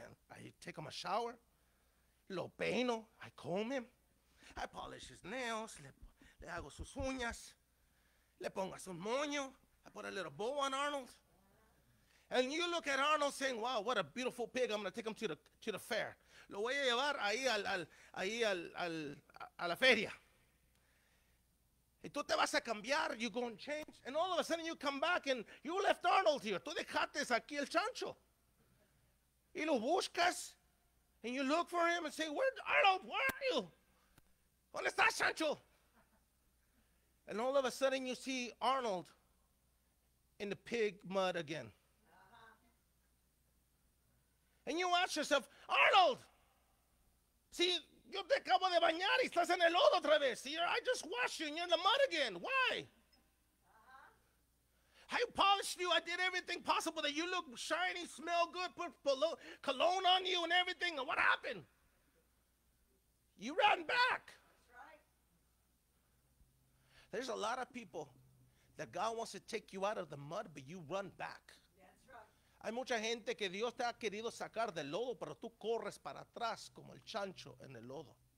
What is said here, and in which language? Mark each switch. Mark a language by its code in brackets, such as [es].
[en] I take him a shower. [es] Lo peino. [en] I comb him. I polish his nails. [es] Le hago sus uñas. Le pongo su moño. [en] I put a little bow on Arnold. And you look at Arnold saying, wow, what a beautiful pig. I'm going to take him to the fair. [es] Lo voy a llevar ahí a la feria. Y tú te vas a cambiar, [en] you go and change. And all of a sudden you come back and you left Arnold here. [es] Tú dejaste aquí el chancho. Y lo buscas. [en] And you look for him and say, Arnold, where are you? [es] ¿Dónde estás, chancho? [en] And all of a sudden you see Arnold in the pig mud again. And you ask yourself, [es] Arnold, see, yo te acabo de bañar y estás en el lodo otra vez. [en] I just washed you and you're in the mud again. Why? Uh-huh. I polished you. I did everything possible that you look shiny, smell good, put cologne on you and everything. And what happened? You ran back. That's right. There's a lot of people that God wants to take you out of the mud, but you run back. [es] Hay mucha gente que Dios te ha querido sacar del lodo, pero tú corres para atrás como el chancho en el lodo.